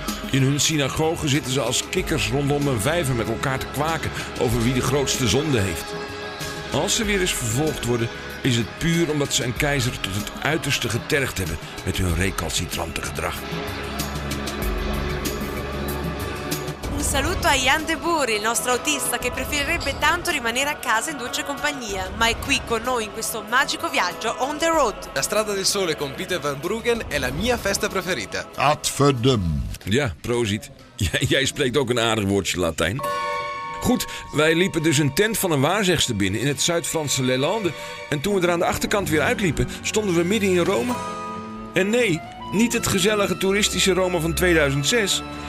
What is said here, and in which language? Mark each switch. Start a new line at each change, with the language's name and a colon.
Dutch: In hun synagogen zitten ze als kikkers rondom een vijver met elkaar te kwaken over wie de grootste zonde heeft. Als ze weer eens vervolgd worden, is het puur omdat ze een keizer tot het uiterste getergd hebben met hun recalcitrante gedrag.
Italian: Saluto a Jan de Buri, il nostro autista che preferirebbe tanto rimanere a casa in dolce compagnia, ma è qui con noi in questo magico viaggio
English: on the road.
Italian: La Strada del Sole con Peter van Bruggen è la mia festa preferita.
Latin: Ad verdum.
Dutch: Ja, prosit. Jij spreekt ook een aardig woordje Latijn. Goed, wij liepen dus een tent van een waarzegster binnen in het Zuid-Franse Lelande. En toen we er aan de achterkant weer uitliepen, stonden we midden in Rome. En nee, niet het gezellige toeristische Rome van 2006...